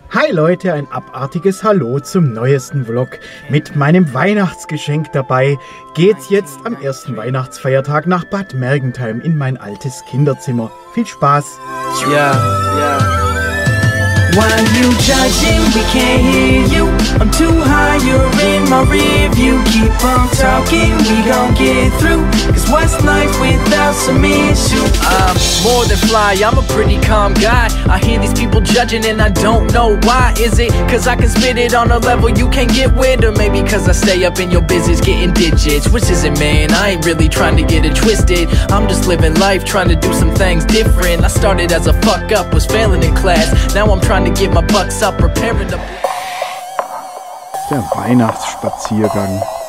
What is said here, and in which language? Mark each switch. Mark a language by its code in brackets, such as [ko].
[de] Leute, ein abartiges Hallo zum neuesten Vlog. Mit meinem Weihnachtsgeschenk dabei geht's jetzt am ersten Weihnachtsfeiertag nach Bad Mergentheim in mein altes Kinderzimmer. Viel Spaß! Ja, ja. [en] While you judging, we can't hear you. I'm too high, you're in my rearview. Keep on talking, we gon' get through. Cause what's life without some issue? I'm more than fly, I'm a pretty calm guy. I hear these people judging and I don't know why. Is it cause I can spit it on a level you can't get with? Or maybe cause I stay up in your business getting digits? Which is it, man? I ain't really trying to get it twisted. I'm just living life, trying to do some things different. I started as a fuck up, was failing in class. Now I'm trying to get my bucks up, preparing to... [de] Der Weihnachtsspaziergang.